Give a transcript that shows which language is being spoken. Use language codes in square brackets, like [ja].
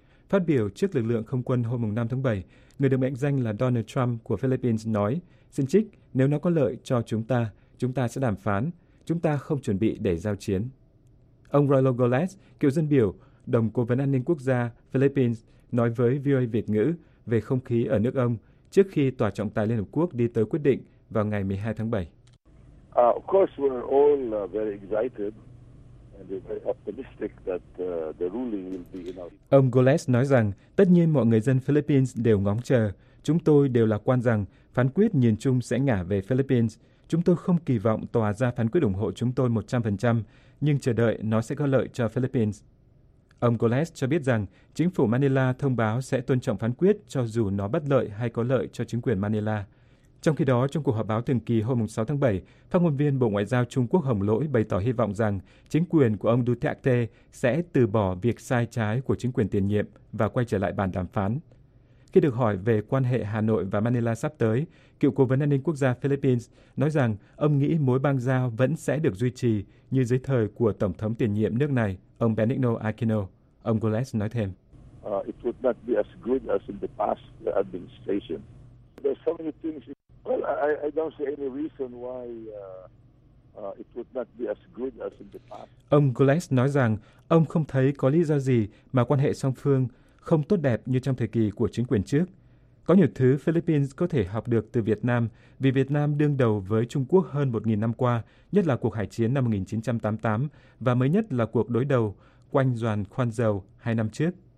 [vi] Phát biểu trước lực lượng không quân hôm 5 tháng 7, người được mệnh danh là Donald Trump của Philippines nói, xin trích, nếu nó có lợi cho chúng ta sẽ đàm phán, chúng ta không chuẩn bị để giao chiến. Ông Rollo Goles, cựu dân biểu, đồng cố vấn an ninh quốc gia Philippines, nói với VOA Việt ngữ về không khí ở nước ông trước khi Tòa trọng tài Liên Hợp Quốc đi tới quyết định vào ngày 12 tháng 7. [en] Of course, we're all very excited and very optimistic that the ruling will be enough. [vi] Ông Goles nói rằng, tất nhiên mọi người dân Philippines đều ngóng chờ. Chúng tôi đều lạc quan rằng phán quyết nhìn chung sẽ ngả về Philippines. Chúng tôi không kỳ vọng tòa ra phán quyết ủng hộ chúng tôi 100%, nhưng chờ đợi nó sẽ có lợi cho Philippines. Ông Goles cho biết rằng chính phủ Manila thông báo sẽ tôn trọng phán quyết cho dù nó bất lợi hay có lợi cho chính quyền Manila. Trong khi đó, trong cuộc họp báo thường kỳ hôm 6 tháng 7, phát ngôn viên Bộ Ngoại giao Trung Quốc Hồng Lỗi bày tỏ hy vọng rằng chính quyền của ông Duterte sẽ từ bỏ việc sai trái của chính quyền tiền nhiệm và quay trở lại bàn đàm phán. Khi được hỏi về quan hệ Hà Nội và Manila sắp tới, cựu cố vấn an ninh quốc gia Philippines nói rằng ông nghĩ mối bang giao vẫn sẽ được duy trì như dưới thời của Tổng thống tiền nhiệm nước này, ông Benigno Aquino. Ông Goles nói thêm. [en] It would not be as good as in the past administration. There's so many things. Well, I don't see any reason why it would not be as good as in the past. [vi] Ông Goles nói rằng ông không thấy có lý do gì mà quan hệ song phương không tốt đẹp như trong thời kỳ của chính quyền trước. Có nhiều thứ Philippines có thể học được từ Việt Nam vì Việt Nam đương đầu với Trung Quốc hơn 1.000 năm qua, nhất là cuộc hải chiến năm 1988 và mới nhất là cuộc đối đầu quanh Doàn Khoan Dầu 2 năm trước.